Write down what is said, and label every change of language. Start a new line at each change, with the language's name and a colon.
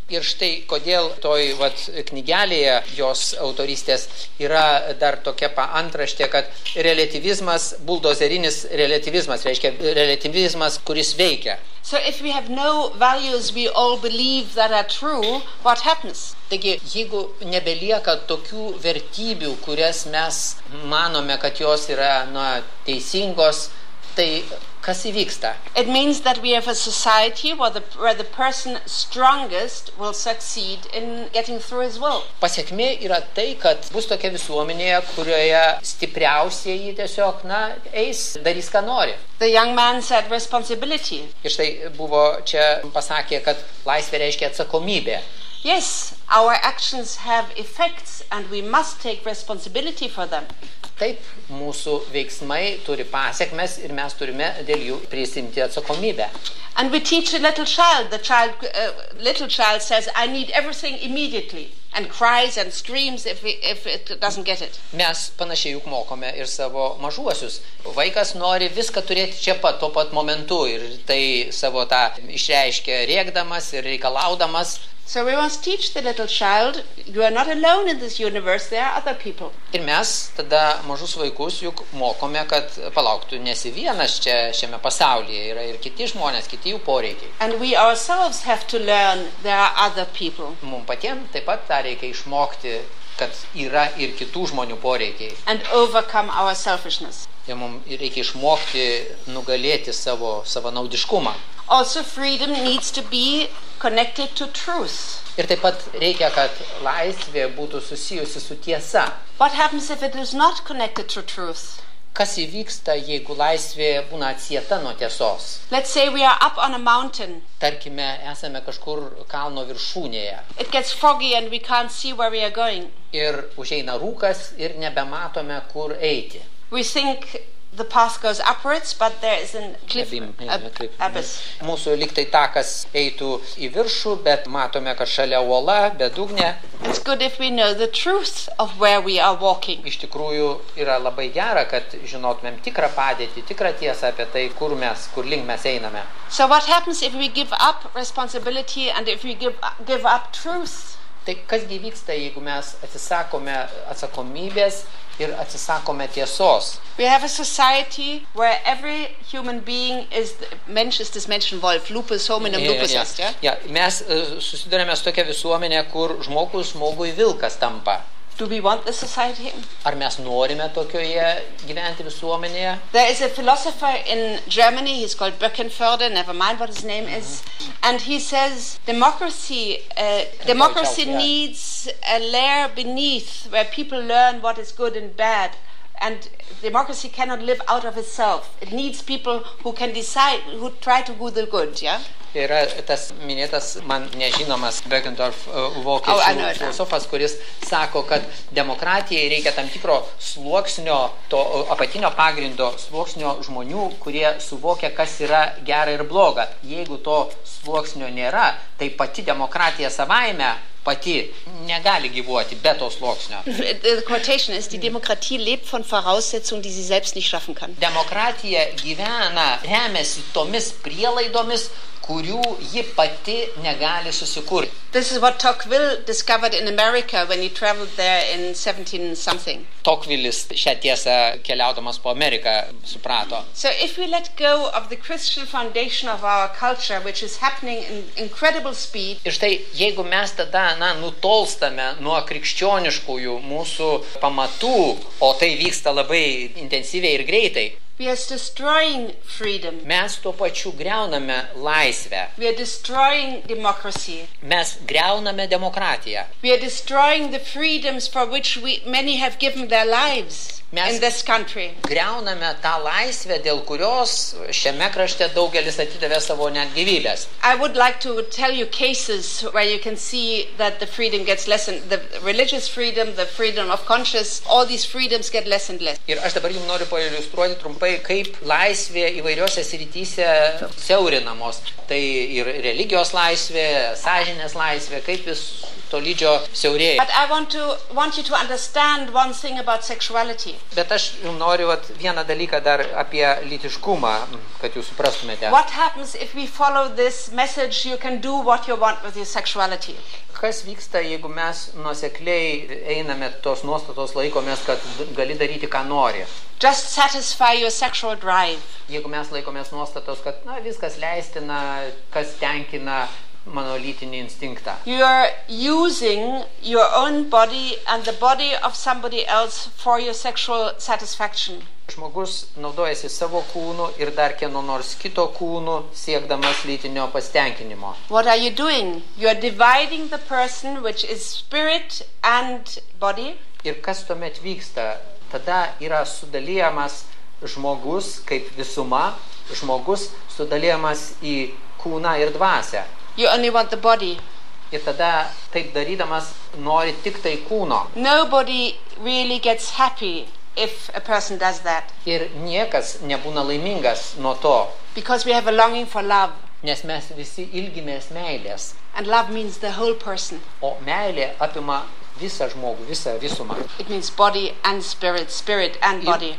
Lithuanian: Ir štai kodėl toj vat knygelėje jos autorystės yra dar tokia paantraštė, kad relativizmas, buldozerinis relativizmas, reiškia relativizmas, kuris veikia.
English: So if we have no values we all believe that are true, what happens?
Lithuanian: Taigi, jeigu nebelieka tokių vertybių, kurias mes manome, kad jos yra, na, teisingos, tai kas įvyksta?
English: It means that we have a society where the person strongest will succeed in getting through his will.
Lithuanian: Pasekmė yra tai, kad bus tokia visuomenėje, kurioje stipriausieji tiesiog, na, eis, darys, ką nori.
English: The young man said responsibility.
Lithuanian: Ir štai buvo čia pasakė, kad laisvė reiškia atsakomybė.
English: Yes, our actions have effects and we must take responsibility for them.
Lithuanian: Taip, mūsų veiksmai turi pasekmes ir mes turime dėl jų prisimti atsakomybę.
English: And we teach a little child, the child, little child says, I need everything immediately. And cries and screams if it doesn't get it.
Lithuanian: Mes panašiai juk mokome ir savo mažuosius. Vaikas nori viską turėti čia pat, tuo pat momentu. Ir tai savo tą išreiškia rėkdamas ir reikalaudamas.
English: So we must teach the little child, you are not alone in this universe, there are other people.
Lithuanian: Ir mes tada mažus vaikus juk mokome, kad palauktų nesi vienas čia šiame pasaulyje, yra ir kiti žmonės, kiti jų poreikiai.
English: And we ourselves have to learn, there are other people.
Lithuanian: Mum patiem taip pat tą reikia išmokti, kad yra ir kitų žmonių poreikiai.
English: And overcome our selfishness.
Lithuanian: Ir mums reikia išmokti nugalėti savo savanaudiškumą.
English: Also freedom needs to be connected to truth.
Lithuanian: Ir taip pat reikia, kad laisvė būtų susijusi su tiesa.
English: What happens if it is not connected to truth?
Lithuanian: Kas įvyksta, jeigu laisvė būna atsieta nuo tiesos?
English: Let's say we are up on a mountain.
Lithuanian: Tarkime, esame kažkur kalno viršūnėje.
English: It gets foggy and we can't see where we are going.
Lithuanian: Ir užeina rūkas ir nebematome, kur eiti.
English: We think the path goes upwards, but there is an cliff, abyss.
Lithuanian: Mūsų liktai takas eitų į viršų, bet matome, kad šalia uola, bedugnė.
English: It's good if we know the truth of where we are walking.
Lithuanian: Iš tikrųjų, yra labai gera, kad žinotumėm tikrą padėtį, tikrą tiesą apie tai, kur mes, kur link mes einame.
English: So what happens if we give up responsibility and if we give up truth?
Lithuanian: Tai kas gyvyksta, jeigu mes atsisakome atsakomybės ir atsisakome tiesos?
English: We have a society where every human being is
German: mensch ist das Menschenwolf,
Latin: lupus hominem lupus est,
English: ja?
Lithuanian: Ja, mes susidurėme su tokia visuomenė, kur žmogus žmogui vilkas tampa.
English: Do we want this society?
Lithuanian: Ar mes norime tokioje gyventi visuomenėje?
English: There is a philosopher in Germany, he's called Böckenförde, never mind what his name is, and he says democracy needs a layer beneath where people learn what is good and bad, and democracy cannot live out of itself. It needs people who can decide, who try to do the good, yeah?
Lithuanian: Yra tas minėtas, man nežinomas, Beckendorf vokiečių filosofas, kuris sako, kad demokratijai reikia tam tikro sluoksnio, to apatinio pagrindo sluoksnio žmonių, kurie suvokia, kas yra gera ir bloga. Jeigu to sluoksnio nėra, tai pati demokratija savaime pati negali gyvuoti be to sluoksnio.
English: The quotation is,
German: die Demokratie lebt von Voraussetzungen, die sie selbst nicht schaffen kann.
Lithuanian: Demokratija gyvena, remiasi tomis prielaidomis, kurių ji pati negali susikurti.
English: This is what Tocqueville discovered in America when he traveled there in 17 something.
Lithuanian: Tocqueville'is šią tiesą keliaudamas po Ameriką suprato.
English: So if we let go of the Christian foundation of our culture, which is happening in incredible speed.
Lithuanian: Ir štai, jeigu mes tada, na, nutolstame nuo krikščioniškųjų mūsų pamatų, o tai vyksta labai intensyviai ir greitai.
English: We are destroying freedom.
Lithuanian: Mes tuo pačiu griauname laisvę.
English: We are destroying democracy.
Lithuanian: Mes griauname demokratiją.
English: We are destroying the freedoms for which many have given their lives in this country.
Lithuanian: Mes griauname tą laisvę, dėl kurios šiame krašte daugelis atidavė savo net gyvybės.
English: I would like to tell you cases where you can see that the freedom gets lessened, the religious freedom, the freedom of conscience, all these freedoms get lessened less.
Lithuanian: Ir aš dabar jums noriu pailiustruoti trumpai, kaip laisvė įvairiose srityse siaurinamos. Tai ir religijos laisvė, sąžinės laisvė, kaip vis tolydžio siaurėja.
English: But I want you to understand one thing about sexuality.
Lithuanian: Bet aš noriu vat, vieną dalyką dar apie lytiškumą, kad jūs suprastumėte.
English: What happens if we follow this message, you can do what you want with your sexuality?
Lithuanian: Kas vyksta, jeigu mes nuosekliai einame tos nuostatos laikomės, kad gali daryti, ką nori?
English: Just satisfy your sexual drive.
Lithuanian: Jeigu mes laikomės nuostatos, kad na, viskas leistina, kas tenkina mano lytinį instinktą.
English: You are using your own body and the body of somebody else for your sexual satisfaction.
Lithuanian: Žmogus naudojasi savo kūnu ir dar kieno nors kito kūnu, siekdamas lytinio pasitenkinimo.
English: What are you doing? You are dividing the person which is spirit and body.
Lithuanian: Ir kas tuomet vyksta? Tada yra sudalyjamas žmogus kaip visuma, žmogus sudalyjamas į kūną ir dvasę.
English: You only want the body.
Lithuanian: Ir tada taip darydamas nori tik tai kūno.
English: Nobody really gets happy if a person does that.
Lithuanian: Ir niekas nebūna laimingas nuo to.
English: Because we have a longing for love.
Lithuanian: Nes mes visi ilgimės meilės.
English: And love means the whole person.
Lithuanian: O meilė apima visą žmogų, visą visumą.
English: It means body and spirit, spirit and body.